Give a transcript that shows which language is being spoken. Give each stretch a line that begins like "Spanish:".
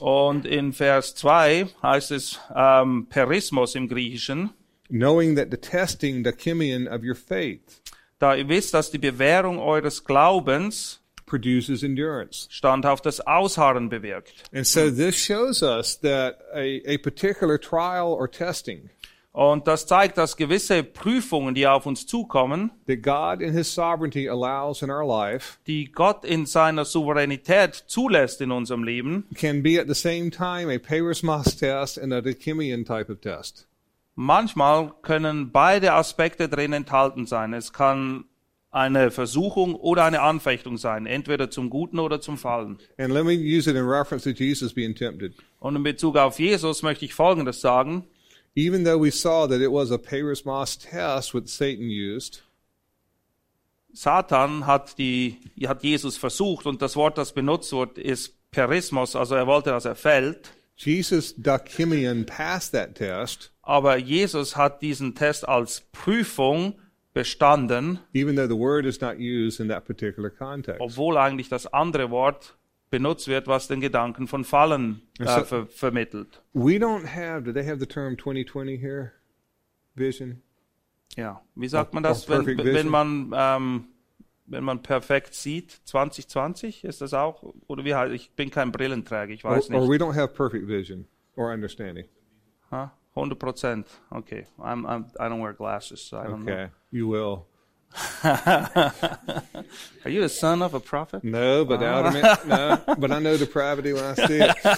German: Und in Vers 2 heißt es perismos im Griechischen.
English: Knowing that the testing, the dachimion of your faith.
German: Da ihr wisst, dass die Bewährung eures Glaubens
English: produces endurance.
German: Standhaftes Ausharren bewirkt.
English: And so this shows us that a particular trial or testing.
German: Und das zeigt, dass gewisse Prüfungen, die auf uns zukommen,
English: that God in His sovereignty allows in our life,
German: die Gott in seiner Souveränität zulässt in unserem Leben,
English: can be at the same time a perismos test and a dachimion type of test.
German: Manchmal können beide Aspekte drin enthalten sein. Es kann eine Versuchung oder eine Anfechtung sein, entweder zum Guten oder zum Fallen.
English: And let me use it in reference to Jesus being tempted.
German: Und in Bezug auf Jesus möchte ich Folgendes sagen.
English: Even though we saw that it was a perismos test which Satan used.
German: Satan hat Jesus versucht, und das Wort, das benutzt wird, ist perismos, also er wollte, dass er fällt.
English: Jesus dachimion passed that test.
German: Aber Jesus hat diesen Test als Prüfung bestanden,
English: even though the word is not used in that particular context.
German: Obwohl eigentlich das andere Wort benutzt wird, was den Gedanken von Fallen vermittelt.
English: We don't have, do they have the term 2020 here? Vision?
German: Ja, wie sagt man das, wenn man perfekt sieht, 2020 ist das auch? Oder wie heißt, ich bin kein Brillenträger, ich weiß nicht.
English: Or we don't have perfect vision or understanding. Huh? 100%. Okay. I don't wear glasses, so I don't know. Okay. You will. Are you the son of a prophet? No, but but I know depravity when I see it.